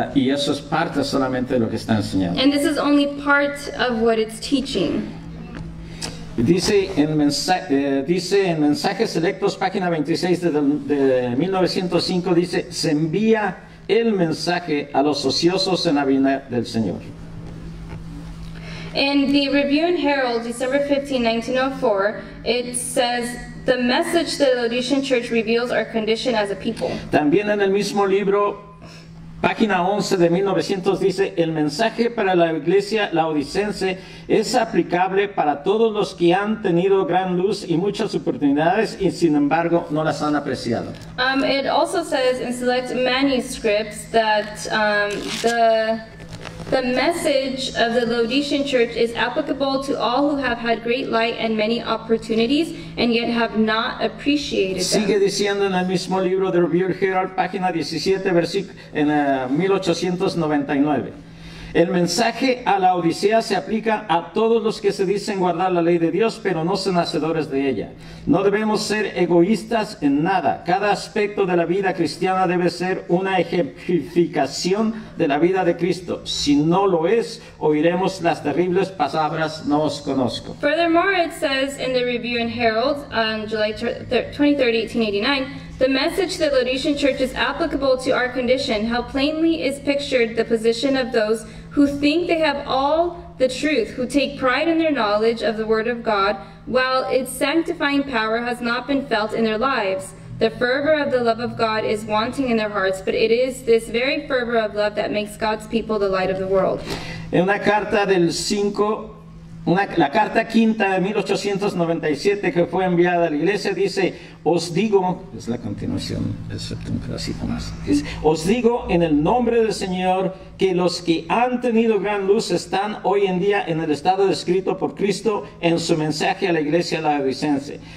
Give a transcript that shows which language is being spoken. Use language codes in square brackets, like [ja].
[es] Y eso es parte solamente de lo que está enseñando. [en] And this is only part of what it's teaching. [es] Dice en Mensajes Selectos, página 26 de 1905, dice, se envía el mensaje a los ociosos en la vida del Señor. [en] In the Review and Herald, December 15, 1904, it says, the message the Laodicean Church reveals our condition as a people. [es] También en el mismo libro, página 11 de 1900, dice, el mensaje para la iglesia laodicense es aplicable para todos los que han tenido gran luz y muchas oportunidades y sin embargo no las han apreciado. [en] It also says in select manuscripts that the message of the Laodicean church is applicable to all who have had great light and many opportunities and yet have not appreciated them. [es] Sigue diciendo en el mismo libro de Review Herald, página 17, versículo 1899. El mensaje a la Odisea se aplica a todos los que se dicen guardar la ley de Dios, pero no son hacedores de ella. No debemos ser egoístas en nada. Cada aspecto de la vida cristiana debe ser una ejemplificación de la vida de Cristo. Si no lo es, oiremos las terribles palabras, no os conozco. [en] Furthermore, it says in the Review and Herald on July 23, 1889, the message that Laodicean church is applicable to our condition, how plainly is pictured the position of those who think they have all the truth, who take pride in their knowledge of the word of God, while its sanctifying power has not been felt in their lives. The fervor of the love of God is wanting in their hearts, but it is this very fervor of love that makes God's people the light of the world. [es] En una carta del cinco, la carta quinta de 1897 que fue enviada a la iglesia dice, os digo, es la continuación, es un pedacito más, dice, os digo en el nombre del Señor que los que han tenido gran luz están hoy en día en el estado descrito por Cristo en su mensaje a la iglesia laodicense.